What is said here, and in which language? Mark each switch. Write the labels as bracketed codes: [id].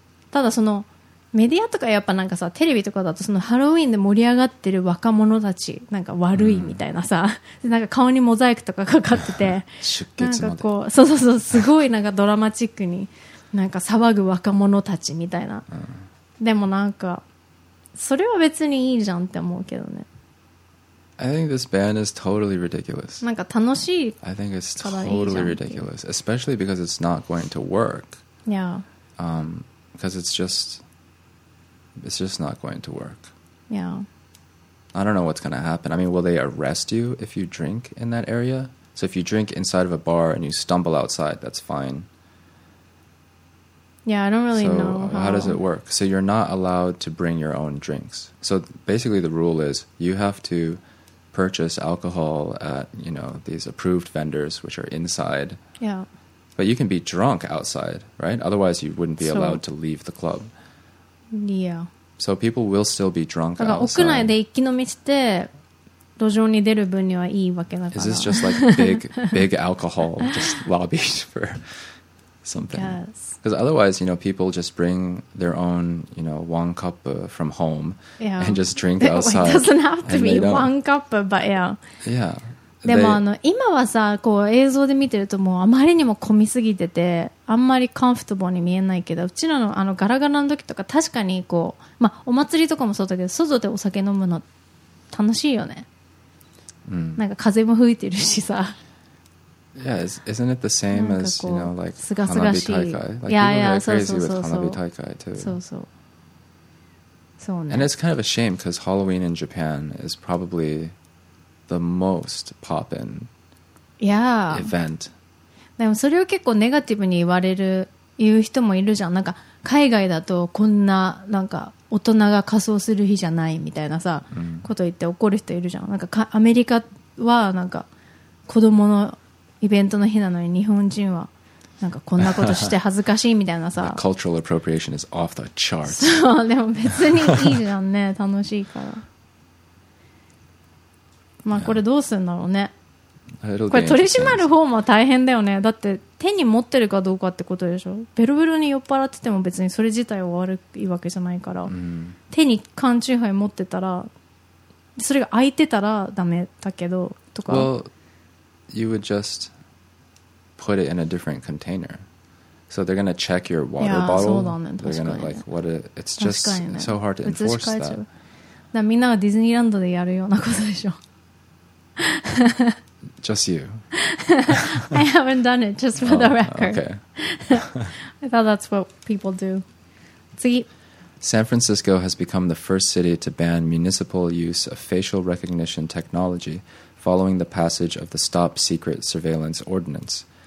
[ja] ただそのメディアとかやっぱなんかさテレビとかだとそのハロウィンで盛り上がってる若者たちなんか悪いみたいなさ、なんか顔にモザイクとかかかってて出血までなんかこうそうそうそうすごいなんかドラマチックになんか騒ぐ若者たちみたいな、でもなんかそれは別にいいじゃんって思うけどね。 [en] I think this ban is totally ridiculous. [ja] なんか楽しいからいいじゃん。 [en] I think it's totally ridiculous, especially because it's not going to work. Yeah. Because it's just not going to work. Yeah. I don't know what's going to happen. I mean, will they arrest you if you drink in that area? So if you drink inside of a bar and you stumble outside, that's fine. Yeah, I don't really so know how does it work? So you're not allowed to bring your own drinks. So basically the rule is you have to purchase alcohol at, you know, these approved vendors which are inside. Yeah. But you can be drunk outside, right? Otherwise you wouldn't be allowed to leave the club. Yeah. So people will still be drunk outside. [ja] 屋内で一気飲みして路上に出る分にはいいわけだから。 [en] Is this just like big alcohol just lobbied for something? Yes. Because otherwise, you know, people just bring their own, you know, one cup from home and just drink outside. It doesn't have to be one cup, but yeah. Yeah. [ja] でも今はさ、こう映像で見てるともうあまりにも混みすぎてて、あんまりコンフォータブルに見えないけど、うちらのあのガラガラの時とか確かにこう、まあお祭りとかもそうだけど、外でお酒飲むの楽しいよね。なんか風も吹いてるしさ。 [en] Yeah, isn't it the same as, you know, like, Hanabi Taikai? Like, yeah, people get crazy with Hanabi Taikai, too. And it's kind of a shame, because Halloween in Japan is probably the most poppin' event. [ja] でもそれを結構ネガティブに言う人もいるじゃん。なんか海外だとこんな、なんか大人が仮装する日じゃないみたいなさ、こと言って怒る人いるじゃん。なんかアメリカはなんか子供のイベントの日なのに日本人はなんかこんなことして恥ずかしいみたいなさ。 [en] The cultural appropriation is off the charts. [ja] そう、でも別にいいじゃんね、楽しいから。まあこれどうするんだろうね。これ取り締まる方も大変だよね。だって手に持ってるかどうかってことでしょ。ベロベロに酔っ払ってても別にそれ自体は悪いわけじゃないから、うん、手に缶チューハイ持ってたらそれが開いてたらダメだけどとか。 [en] Well, you would just put it in a different container. So they're gonna check your water bottle. [ja] そうだね、確かに。 [en] Like, what a, it's just、 [ja] ね、 [en] so hard to enforce that. [ja] だからみんながディズニーランドでやるようなことでしょ。 [en] Just you. I haven't done it, just for the record. Okay. I thought that's what people do. [ja] 次。 [en] San Francisco has become the first city to ban municipal use of facial recognition technology following the passage of the Stop Secret Surveillance Ordinance.